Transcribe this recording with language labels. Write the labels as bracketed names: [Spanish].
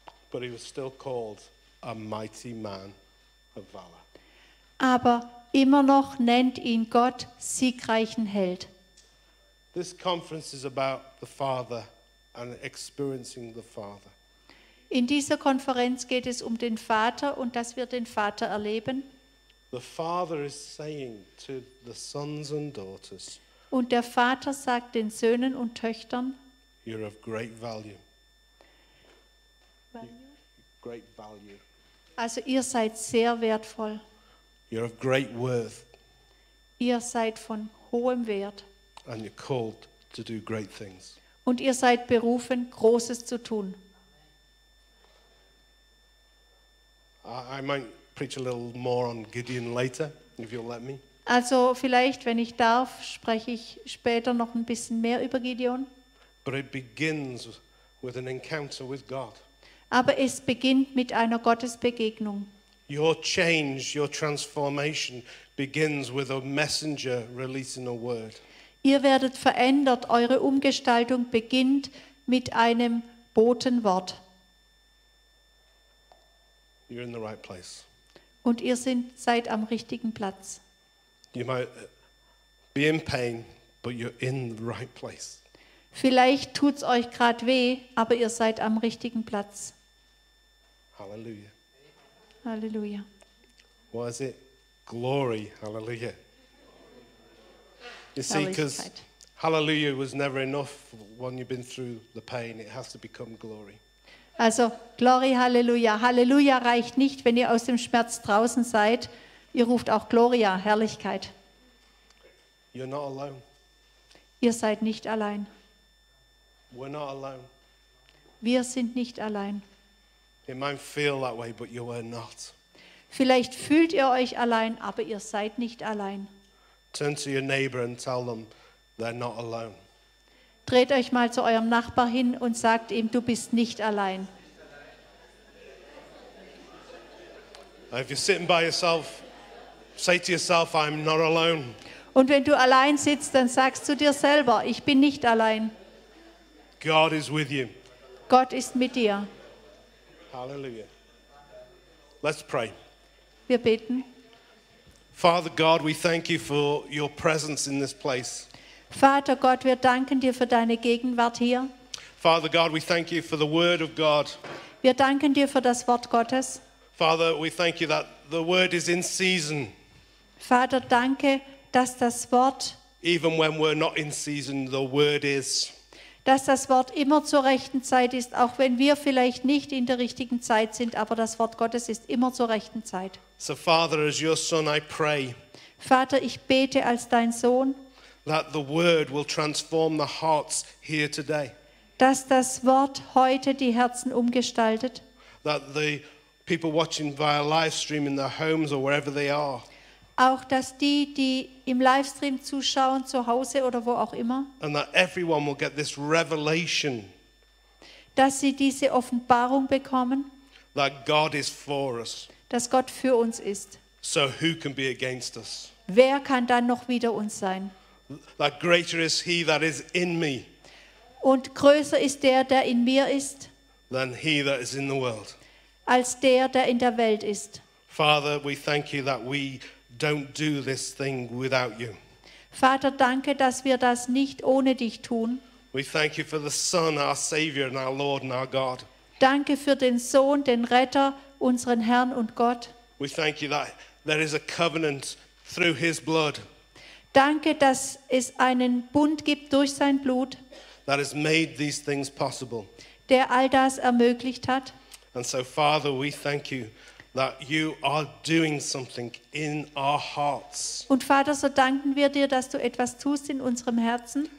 [English] But he was still called a mighty man of valor. [German] Aber immer noch nennt ihn Gott siegreichen Held. [English] This conference is about the Father and experiencing the Father. [German] In dieser Konferenz geht es um den Vater und dass wir den Vater erleben. [English] The Father is saying to the sons and daughters. [German] Und der Vater sagt den Söhnen und Töchtern. [English] You're of great value. Value. Great value. [German] Also ihr seid sehr wertvoll. [English] You're of great worth. [German] Ihr seid von hohem Wert. [English] And you're called to do great things. [German] Und ihr seid berufen, Großes zu tun. [English] I might preach a little more on Gideon later, if you'll let me. [German] Also vielleicht, wenn ich darf, spreche ich später noch ein bisschen mehr über Gideon. [English] But it begins with an encounter with God. [German] Aber es beginnt mit einer Gottesbegegnung. [English] Your change, your transformation begins with a messenger releasing a word. [German] Ihr werdet verändert, eure Umgestaltung beginnt mit einem Botenwort. [English] You're in the right place. [German] Und ihr seid am richtigen Platz. [English] You might be in pain, but you're in the right place. [German] Vielleicht tut's euch gerade weh, aber ihr seid am richtigen Platz. Hallelujah. Hallelujah. [English] What is it? Glory. Hallelujah. You see, because hallelujah was never enough when you've been through the pain. It has to become glory. Also, glory, hallelujah. [German] Hallelujah reicht nicht, wenn ihr aus dem Schmerz draußen seid. Ihr ruft auch Gloria, Herrlichkeit. [English] You're not alone. [German] Ihr seid nicht allein. [English] We're not alone. [German] Wir sind nicht allein. [English] It might feel that way, but you are not. [German] Vielleicht fühlt ihr euch allein, aber ihr seid nicht allein. [English] Turn to your neighbor and tell them they're not alone. [German] Dreht euch mal zu eurem Nachbar hin und sagt ihm, du bist nicht allein. [English] If you're sitting by yourself, say to yourself, I'm not alone. [German] Und wenn du allein sitzt, dann sagst du dir selber, ich bin nicht allein. [English] God is with you. [German] Gott ist mit dir. [English] Hallelujah. Let's pray. [German] Wir beten. [English] Father God, we thank you for your presence in this place. [German] Vater Gott, wir danken dir für deine Gegenwart hier. [English] Father God, we thank you for the word of God. [German] Wir danken dir für das Wort Gottes. [English] Father, we thank you that the word is in season. [German] Vater, danke, dass das Wort, [English] even when we're not in season, the word is. [German] Dass das Wort immer zur rechten Zeit ist, auch wenn wir vielleicht nicht in der richtigen Zeit sind, aber das Wort Gottes ist immer zur rechten Zeit. [English] So Father, as your son, I pray. [German] Vater, ich bete als dein Sohn. [English] That the word will transform the hearts here today. [German] Dass das Wort heute die Herzen umgestaltet. [English] That the people watching via live stream in their homes or wherever they are. [German] Auch dass die, die im Livestream zuschauen, zu Hause oder wo auch immer. [English] And that everyone will get this revelation. [German] Dass sie diese Offenbarung bekommen. [English] That God is for us. [German] Dass Gott für uns ist. [English] So who can be against us? [German] Wer kann dann noch wider uns sein? [English] That greater is he that is in me. [German] Und größer ist der, der in mir ist. [English] Than he that is in the world. [German] Als der, der in der Welt ist. [English] Father, we thank you that we don't do this thing without you. [German] Vater, danke, dass wir das nicht ohne dich tun. [English] We thank you for the Son, our Savior and our Lord and our God. [German] Danke für den Sohn, den Retter, unseren Herrn und Gott. [English] We thank you that there is a covenant through his blood. [German] Danke, dass es einen Bund gibt durch sein Blut. [English] That has made these things possible. [German] Der all das ermöglicht hat. [English] And so Father, we thank you that you are doing something in our hearts. [German] Und Vater, so danken wir dir, dass du etwas tust in unserem Herzen.